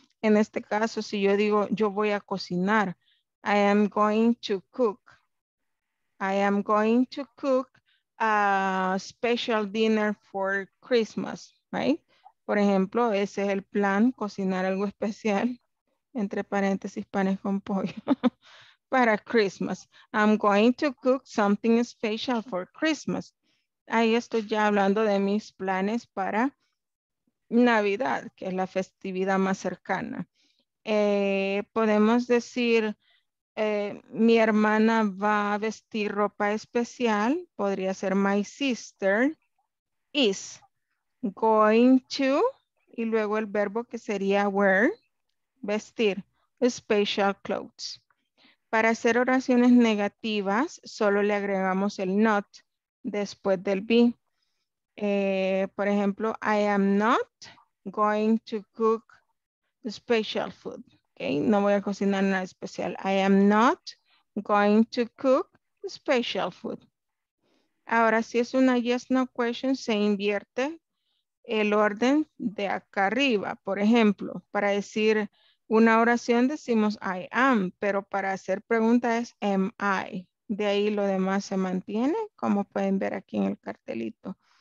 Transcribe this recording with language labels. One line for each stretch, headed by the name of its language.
Spanish: En este caso, si yo digo, yo voy a cocinar,
English: I am going to cook. I am going to cook a special dinner for Christmas, right?
Spanish: Por ejemplo, ese es el plan, cocinar algo especial, entre paréntesis, panes con pollo, para Christmas.
English: I'm going to cook something special for Christmas.
Spanish: Ahí estoy ya hablando de mis planes para Navidad, que es la festividad más cercana. Podemos decir, mi hermana va a vestir ropa especial. Podría ser
English: my sister is going to,
Spanish: y luego el verbo que sería wear, vestir,
English: special clothes.
Spanish: Para hacer oraciones negativas, solo le agregamos el not después del be. Por ejemplo,
English: I am not going to cook special food. Okay?
Spanish: No voy a cocinar nada especial.
English: I am not going to cook special food.
Spanish: Ahora, si es una
English: yes no question,
Spanish: se invierte el orden de acá arriba. Por ejemplo, para decir una oración decimos
English: I am,
Spanish: pero para hacer pregunta es
English: am I.
Spanish: De ahí lo demás se mantiene, como pueden ver aquí en el cartelito.